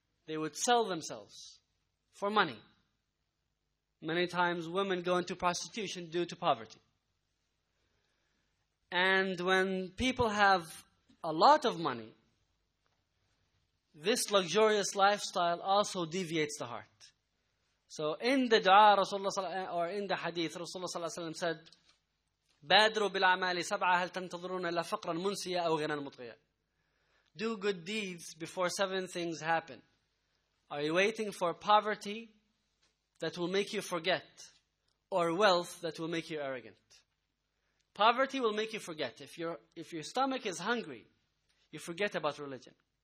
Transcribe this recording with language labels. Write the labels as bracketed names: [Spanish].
[English] They would sell themselves for money. Many times women go into prostitution due to poverty. And when people have a lot of money, this luxurious lifestyle also deviates the heart. So in the dua, in the hadith, Rasulullah ﷺ said, [Arabic] بادروا بالأعمال سبعة هل تنتظرون إلا فقرا منسيا أو غنى مطغيا. [English] do good deeds before seven things happen. Are you waiting for poverty that will make you forget, or wealth that will make you arrogant? Poverty will make you forget. If your stomach is hungry, you forget about religion.